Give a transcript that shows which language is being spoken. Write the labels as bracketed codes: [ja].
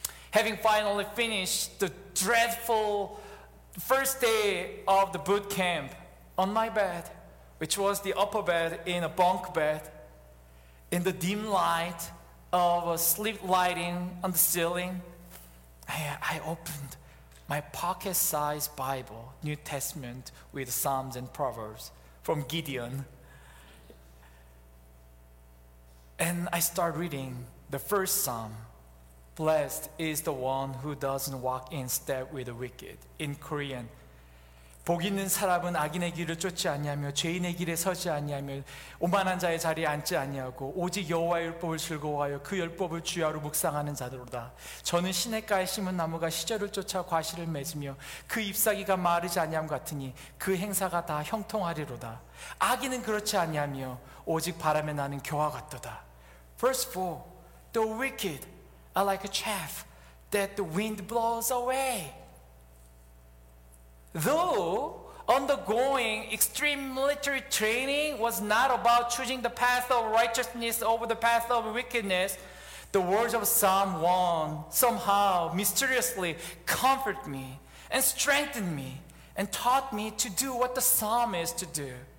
[en] Having finally finished the dreadful first day of the boot camp on my bed, which was the upper bed in a bunk bed, in the dim light of a sleep lighting on the ceiling, I opened my pocket-sized Bible, New Testament, with Psalms and Proverbs from Gideon. And I start reading the first Psalm. Blessed is the one who doesn't walk in step with the wicked. In Korean, [ko] 복 있는 사람은 악인의 길을 쫓지 아니하며 죄인의 길에 서지 아니하며 오만한 자의 자리에 앉지 아니하고 오직 여호와의 율법을 즐거워하여 그 율법을 주야로 묵상하는 자들로다. 저는 시냇가에 심은 나무가 시절을 쫓아 과실을 맺으며 그 잎사귀가 마르지 아니함 같으니 그 행사가 다 형통하리로다. 악인은 그렇지 아니하며 오직 바람에 나는 교화 같도다. [en] Verse 4. The wicked are like a chaff that the wind blows away. Though undergoing extreme military training was not about choosing the path of righteousness over the path of wickedness, the words of Psalm 1 somehow mysteriously comforted me and strengthened me and taught me to do what the psalm is to do,